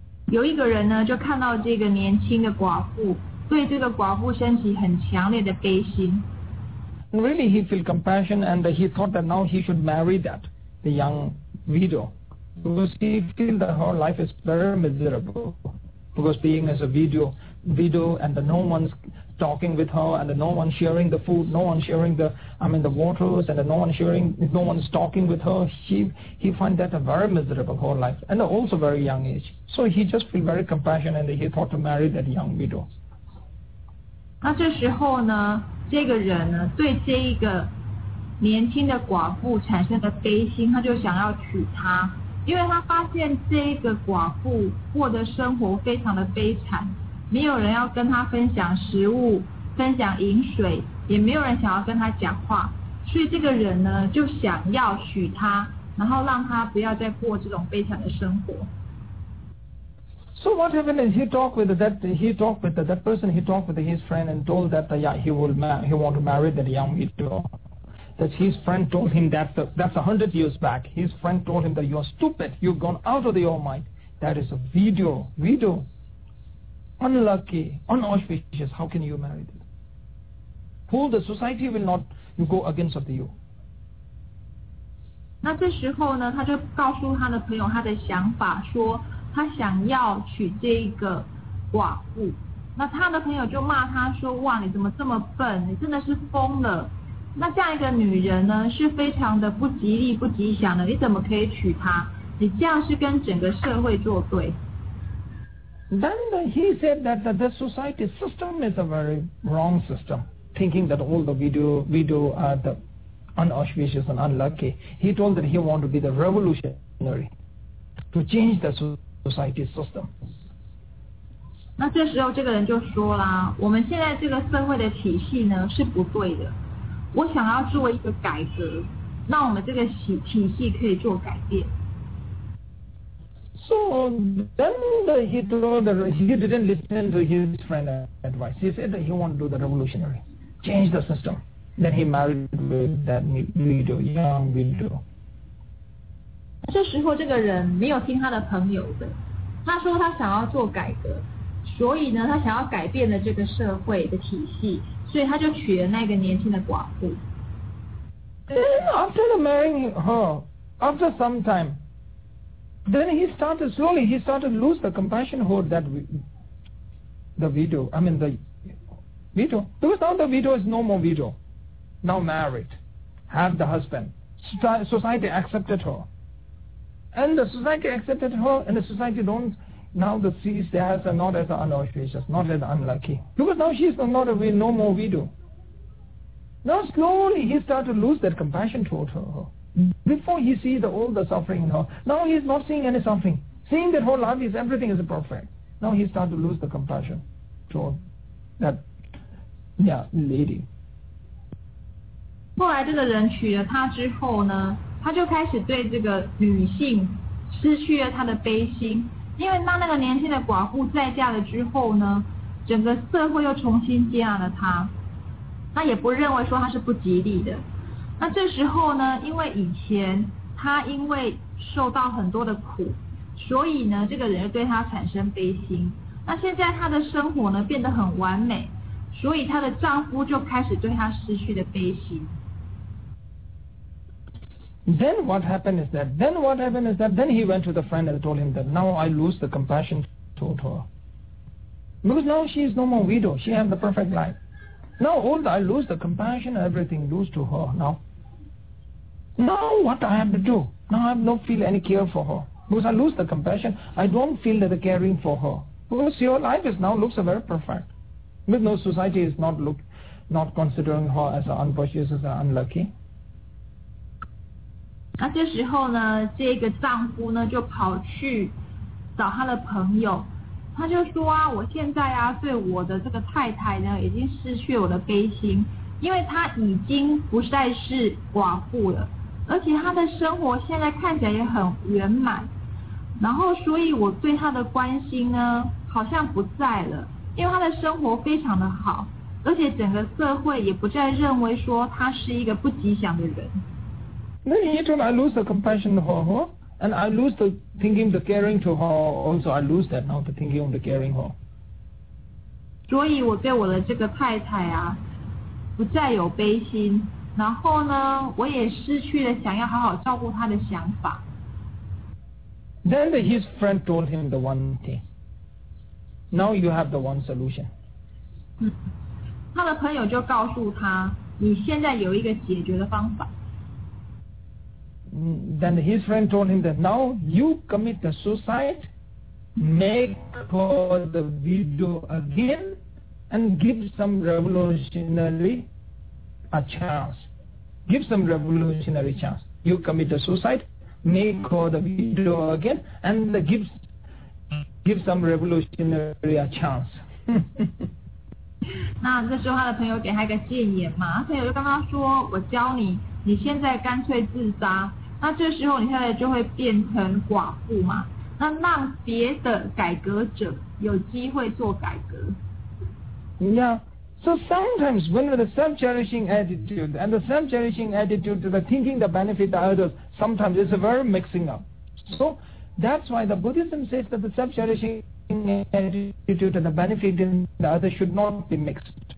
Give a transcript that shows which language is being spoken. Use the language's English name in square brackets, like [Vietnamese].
[Chinese] 有一个人呢就看到这个年轻的寡妇，对这个寡妇升起很强烈的悲心。 [English] And really he feel compassion and he thought that now he should marry that, the young widow. Because he feel that her life is very miserable. Because being as a widow and no one's... talking with her and no one sharing the food, no one sharing the waters and no one's talking with her. He find that a very miserable whole life and also very young age. So he just feel very compassionate and he thought to marry that young widow. [Chinese] 那这时候呢，这个人呢，对这一个年轻的寡妇产生了悲心，他就想要娶她，因为他发现这一个寡妇过的生活非常的悲惨。没有人要跟他分享食物，分享饮水，也没有人想要跟他讲话，所以这个人呢就想要娶她，然后让她不要再过这种悲惨的生活。 [English] So what happened is he talked with his friend and told that he want to marry that young widow. That his friend told him that that's 100 years back. His friend told him that you are stupid. You've gone out of your mind. That is a widow. Unlucky, unauspicious, how can you marry this? Who the society will not go against of you? [Chinese] 那这时候呢，他就告诉他的朋友他的想法，说他想要娶这一个寡妇。那他的朋友就骂他说，哇，你怎么这么笨，你真的是疯了。那这样一个女人呢，是非常的不吉利、不吉祥的，你怎么可以娶她？你这样是跟整个社会作对。 [English] Then he said that the society system is a very wrong system, thinking that all the video are the unauspicious and unlucky. He told that he wanted to be the revolutionary to change the society system. [Chinese] 那这时候这个人就说啦，我们现在这个社会的体系呢是不对的，我想要做一个改革，让我们这个体系可以做改变。 [English] So then he didn't listen to his friend's advice. He said that he wanted to do the revolutionary, change the system. Then he married with that widow, young widow. [Chinese] 这时候这个人没有听他的朋友的，他说他想要做改革，所以呢他想要改变了这个社会的体系，所以他就娶了那个年轻的寡妇。 [English] Then after the marrying her, after some time,Then he started to lose the compassion for that widow. Because now the widow is no more widow. Now married. Have the husband. Society accepted her. And the society accepted her and the society don't now the sees her as a, not as an unauspicious, not as unlucky. Because now she is not a no more widow. Now slowly he started to lose that compassion toward her. Before he sees all the suffering in her, now he is not seeing any suffering. Seeing that her life is everything is perfect. Now he starts to lose the compassion toward that lady. [Chinese] 后来这个人娶了她之后呢，他就开始对这个女性失去了他的悲心，因为当那个年轻的寡妇再嫁了之后呢，整个社会又重新接纳了她，他也不认为说她是不吉利的。那这时候呢，因为以前他因为受到很多的苦，所以呢这个人对他产生悲心，那现在他的生活呢变得很完美，所以他的丈夫就开始对他失去了悲心。 [English] Then what happened is that then he went to the friend and told him that now I lose the compassion toward her, because now she is no more widow, she has the perfect life. Now all I lose the compassion, everything lose to her nowNow what I have to do? Now I don't feel any care for her. Because I lose the compassion, I don't feel the caring for her. Because your life is now looks very perfect. With no society is not considering her as unfortunate, as unlucky. [Chinese] 那这时候呢，这个丈夫呢就跑去找他的朋友，他就说啊，我现在啊对我的这个太太呢已经失去我的悲心，因为她已经不再是寡妇了。而且他的生活现在看起来也很圆满，然后所以我对他的关心呢好像不在了，因为他的生活非常的好，而且整个社会也不再认为说他是一个不吉祥的人。 [English] Then he told I lose the compassion for her, and I lose the thinking the caring to her also, I lose that now the thinking of the caring her. [Chinese] 所以我对我的这个太太啊不再有悲心，然后呢我也失去了想要好好照顾他的想法。 [English] Then his friend told him the one thing, now you have the one solution. [Chinese] 他的朋友就告诉他，你现在有一个解决的方法。 [English] Then his friend told him that now you commit the suicide, make her the widow again, and give some revolutionary a chanceGive some revolutionary chance. You commit a suicide, make her the widow again, and give some revolutionary a chance. [Chinese] 那这时候他的朋友给他一个建议嘛，他朋友就跟他说，我教你，你现在干脆自杀，那这时候你现在就会变成寡妇嘛，那让别的改革者有机会做改革。 [English] Yeah. So sometimes when the self-cherishing attitude and the self-cherishing attitude to the thinking the benefit of others, sometimes it's a very mixing up. So that's why the Buddhism says that the self-cherishing attitude and the benefit in the other should not be mixed.